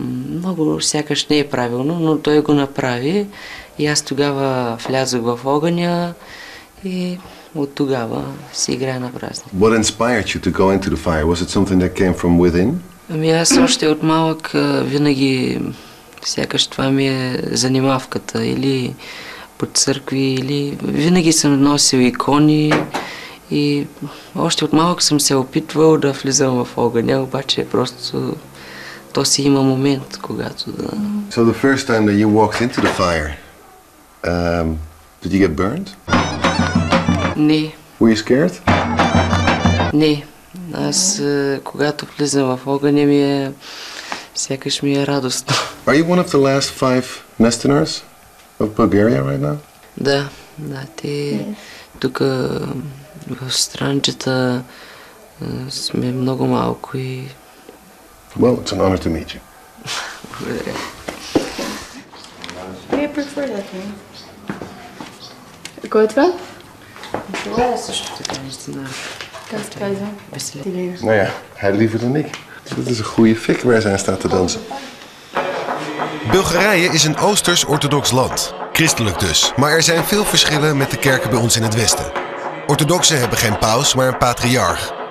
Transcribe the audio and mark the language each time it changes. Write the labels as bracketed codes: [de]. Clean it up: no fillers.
[bg] Много сякаш не е правилно, но той го направи и аз тогава влязох в огъня и от тогава си играя на празник. [en] What inspired you to go into the fire? Was it something that came from within? [bg] Ами аз още от малък винаги сякаш това ми е занимавката или по църкви, или винаги съм носил икони и още от малък съм се опитвал да влизам в огъня, обаче просто то си има момент, когато да... [en] So the first time that you walked into the fire, did you get burned? [bg] Не. [en] Were you scared? [bg] Не. Аз когато влизам в огъня ми е... Сякаш ми е радостно. [en] Are you one of the last five Nestinars of Bulgaria right now? [bg] Да, да, те тук в Странджата сме много малко и... [en] Well, it's an honor to meet you. [bg] Благодаря. [en] Do you prefer that name? [bg] Кой е това? Това е също така, наистина. Как се казва? Веселя. [nl] Нея, hij liever dan ik. Dat is een goede fik waar zij aan staat te dansen. Bulgarije is een Oosters-Orthodox land. Christelijk dus. Maar er zijn veel verschillen met de kerken bij ons in het Westen. Orthodoxen hebben geen paus, maar een patriarch.